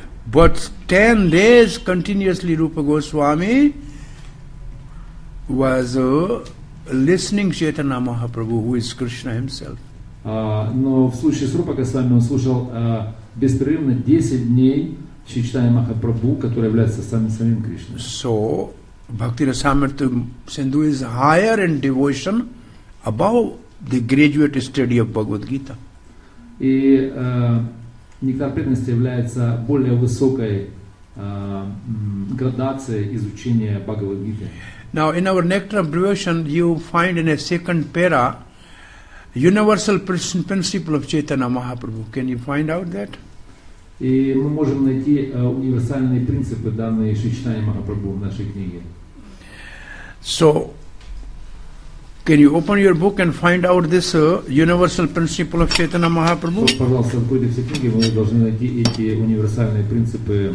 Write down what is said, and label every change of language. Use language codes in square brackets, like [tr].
[en] But 10 days continuously Rupa Goswami was listening Chaitanya Mahaprabhu, who is Krishna himself. [ru] Но в случае с Рупа Госвами он слушал беспрерывно 10 дней Чайтанья Махапрабху, который является самим Кришной. [en] So, Bhakti Rasamrita Sindhu is higher in devotion above the graduate study of Bhagavad Gita. [ru] И нектар преданности является более высокой градацией изучения Бхагавад Гиты. [en] Now, in our nectar of devotion, you find in a second para universal principle of Chaitanya Mahaprabhu. Can you find out that? [ru] И мы можем найти универсальные принципы, данные Шри Чайтанья Махапрабху в нашей книге. [en] So, can you open your book and find out this universal principle of Chaitanya Mahaprabhu? [ru] Пожалуйста, откройте все книги, вы должны найти эти универсальные принципы.